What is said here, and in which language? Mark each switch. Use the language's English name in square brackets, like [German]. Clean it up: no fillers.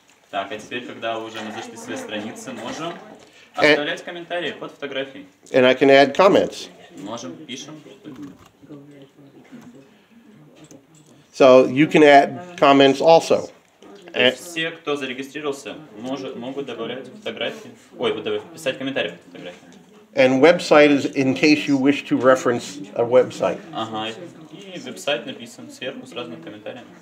[Russian] Так, а теперь, когда уже мы зашли в свои страницы, можем оставлять комментарии под фотографией. [English] And I can add comments. [Russian] Можем, пишем. [English] So you can add comments also. [Russian] Все, кто зарегистрировался, могут добавлять фотографии. Ой, писать комментарии под фотографии. [English] And website is in case you wish to reference a website. [Russian] Ага. И веб-сайт написан сверху с разными комментариями.